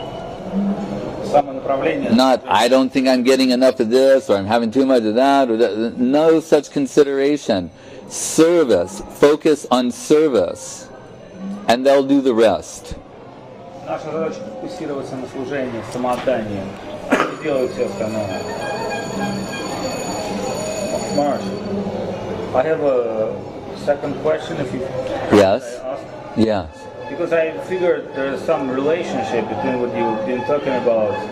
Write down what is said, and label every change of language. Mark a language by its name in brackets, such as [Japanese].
[English] Not, I don't think I'm getting enough of this, or I'm having too much of that, or that. No such consideration. Service, focus on service, and they'll do the rest. [Russian] Наша задача фокусироваться на служении, самоотдании. И делать все остальное. [English] Марш, I have a second question, if you... Yes. Yeah. Because I figured there's some relationship between what you've been talking about.